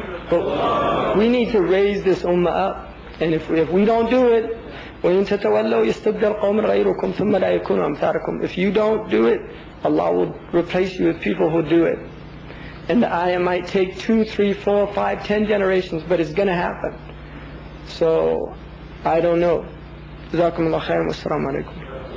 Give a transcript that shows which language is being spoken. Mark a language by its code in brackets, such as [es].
[en] But we need to raise this ummah up. And if we don't do it, [ar] وَإِن تَتَوَلَّوْا يَسْتَبْدَلْ قَوْمًا غَيْرُكُمْ ثُمَّ لَا يَكُونُ أَمْثَارَكُمْ. [en] If you don't do it, Allah will replace you with people who do it. And the ayah might take 2, 3, 4, 5, 10 generations, but it's going to happen. So, I don't know. JazakumAllah khairan. Wassalamu alaikum.